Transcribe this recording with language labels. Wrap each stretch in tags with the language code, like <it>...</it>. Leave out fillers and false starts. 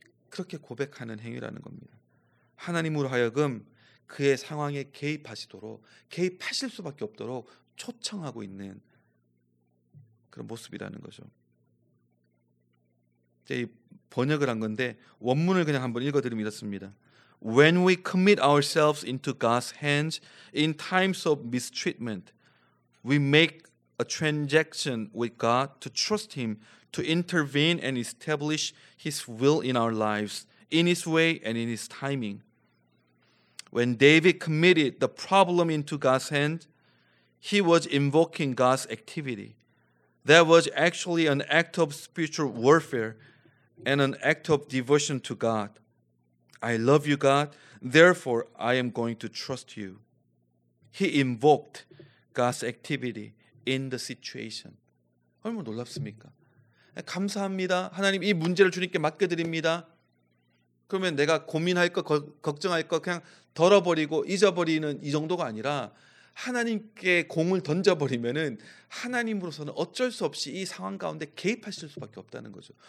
<ko>그렇게 고백하는 행위라는 겁니다. 하나님으로 하여금 그의 상황에 개입하실 수밖에 없도록 초청하고 있는 그런 모습이라는 거죠. 이 번역을 한 건데 원문을 그냥 한번 읽어드리면 이렇습니다.</ko> <en>When we commit ourselves into God's hands in times of mistreatment, we make a transaction with God to trust Him to intervene and establish His will in our lives, in His way and in His timing. When David committed the problem into God's hand, he was invoking God's activity. That was actually an act of spiritual warfare and an act of devotion to God. I love you, God. Therefore, I am going to trust you. He invoked God's activity in the situation.</en> <ko>얼마나 놀랍습니까? 감사합니다. 하나님, 이 문제를 주님께 맡겨드립니다. 그러면 내가 고민할 것, 걱정할 것 그냥 덜어버리고 잊어버리는 이 정도가 아니라 하나님께 공을 던져버리면은 하나님으로서는 어쩔 수 없이 이 상황 가운데 개입하실 수밖에 없다는 거죠.</ko>